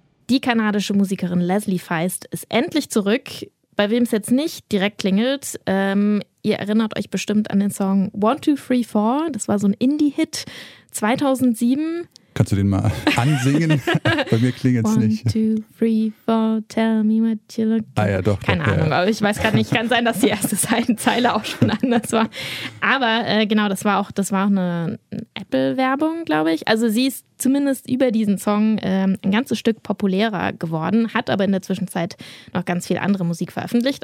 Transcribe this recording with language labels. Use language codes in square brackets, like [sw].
[de] Die kanadische Musikerin Leslie Feist ist endlich zurück. Bei wem es jetzt nicht direkt klingelt, ihr erinnert euch bestimmt an den Song 1, 2, 3, 4. Das war so ein Indie-Hit 2007. Kannst du den mal ansingen? Bei mir klingelt es nicht. [en] 1, 2, 3, 4, tell me what you look like. [de] Ah ja, doch. Keine Ahnung, aber ich weiß gerade nicht, kann sein, dass die erste Zeile auch schon anders war. Aber genau, das war auch eine Apple-Werbung, glaube ich. Also sie ist zumindest über diesen Song ein ganzes Stück populärer geworden, hat aber in der Zwischenzeit noch ganz viel andere Musik veröffentlicht.